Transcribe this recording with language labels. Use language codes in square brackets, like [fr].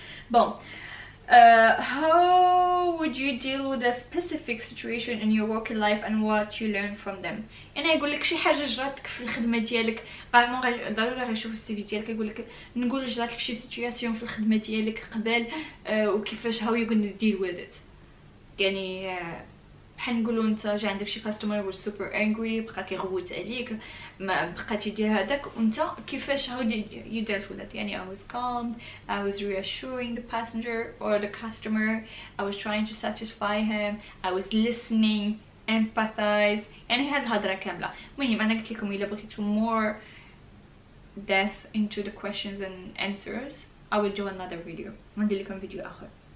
[ar] بون، [en] how would you deal with a specific situation in your work life and what you learn from them, [ar] انا يقول لك شي حاجه جراتك في الخدمه ديالك فريمون ضروري غنشوف السي في ديالك، يقول لك نقول جرات لك شي سيتوياسيون في الخدمه ديالك قبل، وكيفاش [en] How you gonna deal with it. [ar] يعني بحال نقولوا انت جا عندك شي كاستمر و [en] super angry [ar] بقى كيغوت عليك، ما بقاتي دير هذاك، وانت كيفاش [en] How you dealt with it. يعني I was calm, I was reassuring the passenger or the customer, I was trying to satisfy him, I was listening, empathize. [ar] يعني هاد الهضره كامله. المهم انا قلت لكم الا بغيتو مور [en] depth into the questions and answers I will do another video، [ar] ندير لكم فيديو اخر.